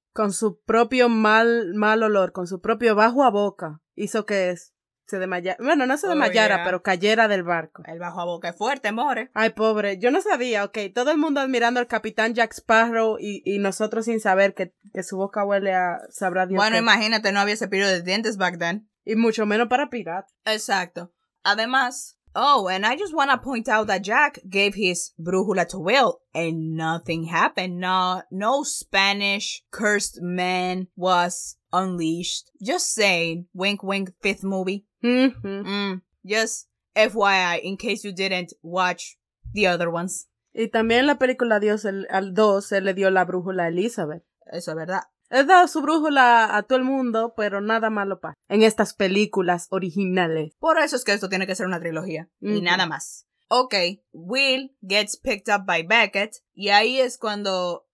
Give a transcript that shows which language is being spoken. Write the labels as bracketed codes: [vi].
[es] Con su propio mal olor, con su propio bajo a boca, hizo que se desmayara. Bueno, no se desmayara, [en] oh, yeah. [es] Pero cayera del barco. El bajo a boca es fuerte, more. Ay, pobre. Yo no sabía, ok. Todo el mundo admirando al capitán Jack Sparrow y nosotros sin saber que su boca huele a sabrá Dios. Bueno, imagínate, no había cepillo de dientes [en] back then. [es] Y mucho menos para pirata. Exacto. [en] Además, oh, and I just want to point out that Jack gave his brújula to Will. And nothing happened. No Spanish cursed man was unleashed. Just saying. Wink, wink, fifth movie. Mm-hmm. Just FYI, in case you didn't watch the other ones. [es] Y también la película Dios al 2 se le dio la brújula a Elizabeth. Eso es verdad. He dado su brújula a todo el mundo, pero nada malo pasa en estas películas originales. Por eso es que esto tiene que ser una trilogía. Mm-hmm. Y nada más. [en] Ok, Will gets picked up by Beckett, [es] y ahí es cuando...